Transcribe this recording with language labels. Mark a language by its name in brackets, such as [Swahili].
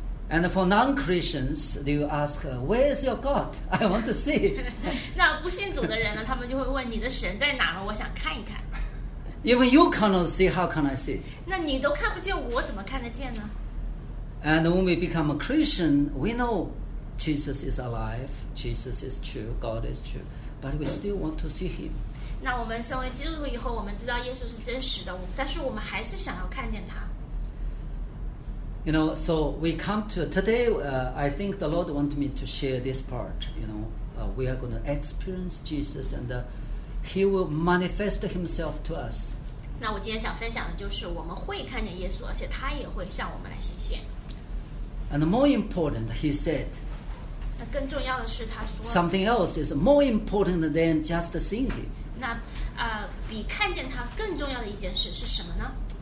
[English] And for non-Christians, they will ask, "Where is your God? I want to see." [Chinese] 那不信主的人呢？他们就会问：“你的神在哪呢？我想看一看。” [English] Even you cannot see, how can I see? [Chinese] 那你都看不见，我怎么看得见呢？ [English] And when we become a Christian, we know Jesus is alive, Jesus is true, God is true, but we still want to see Him. [Chinese] 那我们身为基督徒以后，我们知道耶稣是真实的，但是我们还是想要看见他。 [English] You know, so we come to today. I think the Lord wanted me to share this part. You know, we are going to experience Jesus, and He will manifest Himself to us. [Chinese] 那我今天想分享的就是我们会看见耶稣，而且他也会向我们来显现。 [English] And more important, he said. [Chinese] 那更重要的是，他说。 [English] Something else is more important than just seeing him. [Chinese] 那比看见他更重要的一件事是什么呢